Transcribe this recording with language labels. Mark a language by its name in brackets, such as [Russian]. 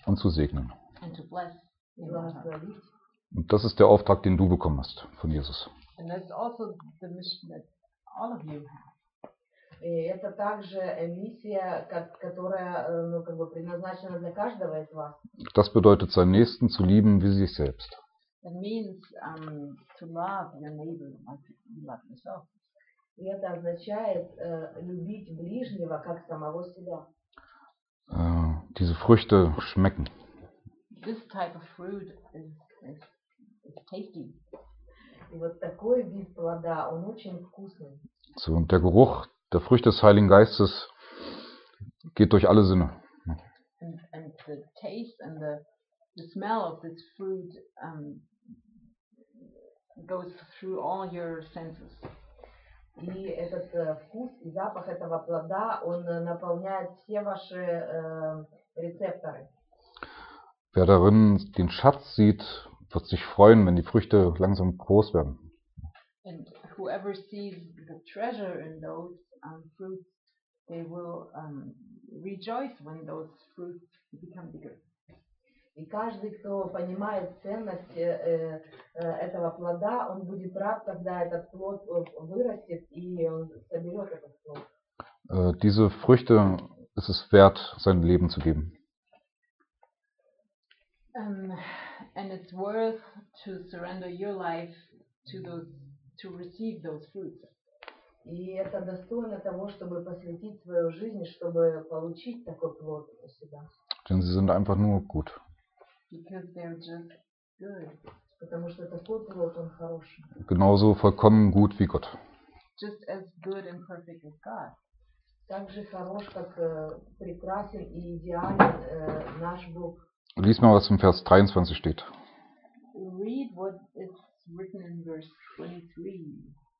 [German] Und zu segnen. [English] And to bless. [German] Und das ist der Auftrag, den du bekommst von Jesus. [English] And that's also the mission that all of you have. [Russian] Это также миссия, которая, ну, как бы предназначена для каждого из вас. [German] Das bedeutet, seinen Nächsten zu lieben wie sich selbst. [English] That means to love your neighbor like you love yourself. [Russian] И это означает любить ближнего как самого себя. [German] Diese Früchte schmecken. [English] This type of fruit is tasty. [Russian] И вот такой вид плода, он очень вкусный. [German] So, und der Geruch der Früchte des Heiligen Geistes geht durch alle Sinne. [English] And the taste and the smell of this fruit goes through all your senses. [Russian] И этот вкус и запах этого плода, он наполняет все ваши рецепторы. [German] Wer darin den Schatz sieht, wird sich freuen, wenn die Früchte langsam groß werden. [English] And whoever sees the treasure in those fruits, they will rejoice when those fruits become bigger. [Russian] И каждый, кто понимает ценность этого плода, он будет рад, когда этот плод вырастет и он соберет этот плод. [German] Diese Früchte, ist es wert, sein Leben zu geben. [English] And it's worth to surrender your life to those, to receive those fruits. [Russian] И это достойно того, чтобы посвятить свою жизнь, чтобы получить такой плод у себя. [German] Denn sie sind einfach nur gut. [English] Because they're just good. [Russian] Потому что такой плод, он хороший. [German] Genauso vollkommen gut wie Gott. [English] Just as good and perfect as God. [Russian] Так же хорош, как прекрасен и идеален наш Бог. [German] Lies mal, was im Vers 23 steht. [English] Read what it's written in verse 23.